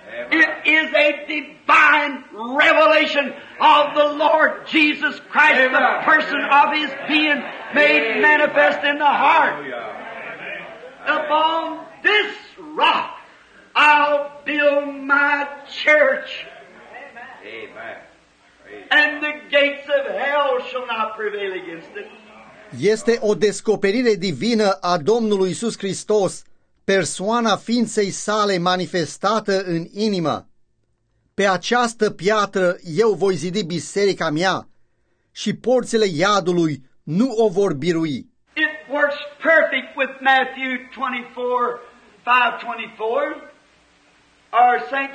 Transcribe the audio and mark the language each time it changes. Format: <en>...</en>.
<en>It is a divine revelation of the Lord Jesus Christ, the person of his being made manifest in the heart. Upon this rock I'll build my church. And the gates of hell shall not prevail against it.</en> <ro>Este o descoperire divină a Domnului Iisus Hristos, persoana ființei sale manifestată în inimă. Pe această piatră eu voi zidi biserica mea și porțile iadului nu o vor birui.</ro> <en>It works perfect with Matthew 24:5-24 or St.</en>